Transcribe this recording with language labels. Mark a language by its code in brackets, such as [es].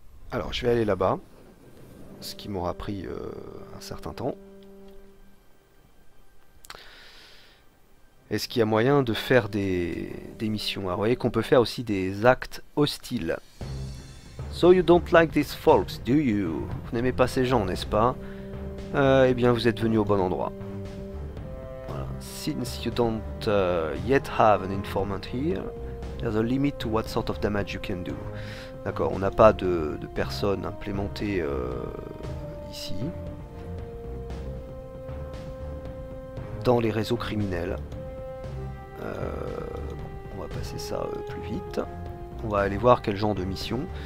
[fr] Alors, je vais aller là-bas. Ce qui m'aura pris un certain temps. Est-ce qu'il y a moyen de faire des missions? Alors, vous voyez qu'on peut faire aussi des actes hostiles. [en] So you don't like these folks, do you? [fr] Vous n'aimez pas ces gens, n'est-ce pas? Eh bien, vous êtes venu au bon endroit. Voilà. [en] Since you don't yet have an informant here, there's a limit to what sort of damage you can do. [fr] D'accord, on n'a pas de personne implémentée ici. Dans les réseaux criminels. On va passer ça plus vite. On va aller voir quel genre de mission.